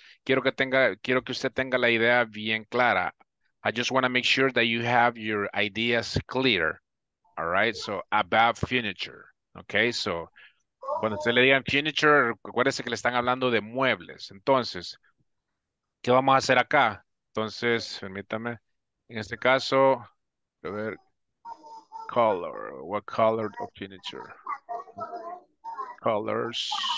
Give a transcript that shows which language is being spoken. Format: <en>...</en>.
<es>Quiero que usted tenga la idea bien clara.</es> <en>I just want to make sure that you have your ideas clear. All right, so about furniture. Okay, so</en> <es>cuando usted le digan furniture, acuérdese que le están hablando de muebles. Entonces, ¿qué vamos a hacer acá? Entonces, permítame, en este caso, a ver, color,</es> <en>what color of furniture? Colors.</en>